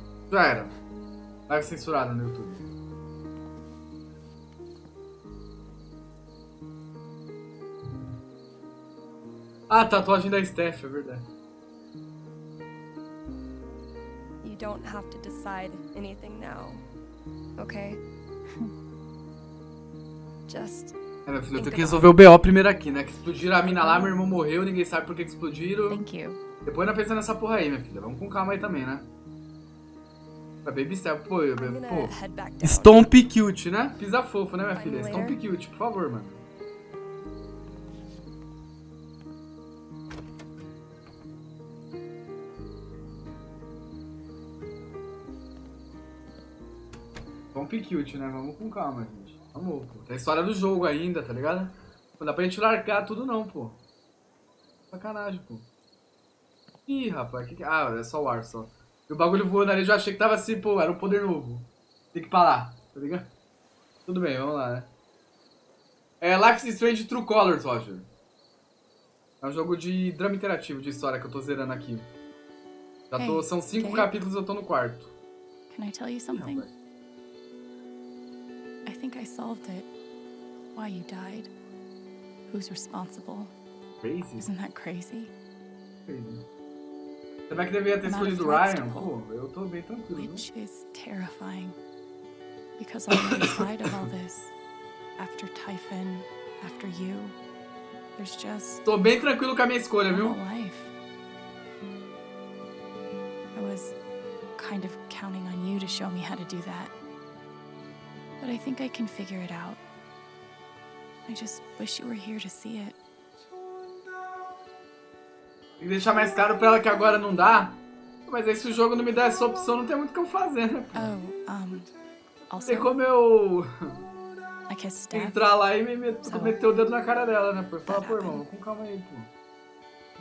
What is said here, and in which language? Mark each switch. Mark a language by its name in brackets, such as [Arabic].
[Portuguese] Já era. Vai censurado no YouTube. Ah, tatuagem da Steph, é verdade. [English] You don't have to decide anything now, okay? Just. [Portuguese] É, meu filho, eu tenho que resolver o BO primeiro aqui, né? Que explodiram a mina lá, meu irmão morreu, ninguém sabe por que explodiram. [English] Thank you. [Portuguese] Depois ainda pensa nessa porra aí, minha filha. Vamos com calma aí também, né? [English] A baby step, pô, eu, pô. Stomp cute, né? [Portuguese] Pisa fofo, né, minha filha? [English] Stomp cute, [Portuguese] por favor, mano. [English] Stomp cute, [Portuguese] né? Vamos com calma, gente. Vamos, pô. Tem a história do jogo ainda, tá ligado? Não dá pra gente largar tudo, não, pô. Sacanagem, pô. Ih, rapaz. Que... Ah, é só o ar, só. E o bagulho voando ali, eu já achei que tava assim, pô. Era um poder novo. Tem que parar, tá ligado? Tudo bem, vamos lá, né? É Life is Strange True Colors, Roger. É um jogo de drama interativo de história que eu tô zerando aqui. Já tô... Hey, são cinco Dave? Capítulos, eu tô no quarto. [English] Can I tell you something? Não, I think I solved it. Why you died? Who's responsible? Crazy. Isn't that crazy? Crazy. [Portuguese] Também que devia ter escolhido Ryan. Pô, eu tô bem tranquilo. [English] Which is terrifying. Because on the other side of all this, after Typhon, after you, there's just... [Portuguese] Tô bem tranquilo com a minha escolha, viu? [English] Life. I was kind of counting on you to show me how to do that. But I think I can figure it out. I just wish you were here to see it. [Portuguese] E deixar mais caro pra ela que agora não dá. Mas aí se o jogo não me der essa opção, não tem muito o que eu fazer, né? [English] Also, [Portuguese] tem como eu entrar lá e meter o dedo na cara dela, né? Por falar, pô, irmão, com calma aí, pô.